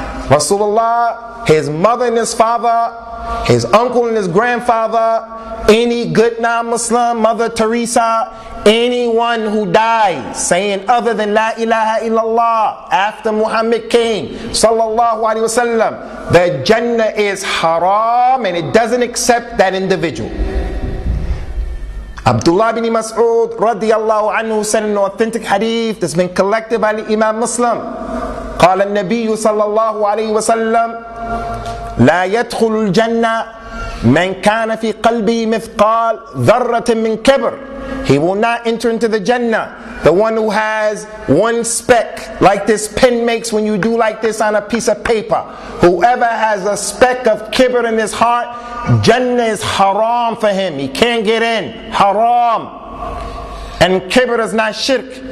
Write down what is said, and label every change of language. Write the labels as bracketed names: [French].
[English] Rasulullah, his mother and his father, his uncle and his grandfather, any good non-Muslim, Mother Teresa, anyone who dies saying other than La ilaha illallah after Muhammad came, sallallahu alayhi wasallam, the Jannah is haram and it doesn't accept that individual. Abdullah ibn Mas'ud radiallahu anhu said an authentic hadith that's been collected by the Imam Muslim. [Arabic] قال النبي صلى الله عليه وسلم لا يدخل الجنة من كان في قلبه مثقال ذرة من كبر. [English] He will not enter into the Jannah, the one who has one speck, like this pen makes when you do like this on a piece of paper. Whoever has a speck of kibr in his heart, Jannah is haram for him. He can't get in. Haram. And kibr is not shirk.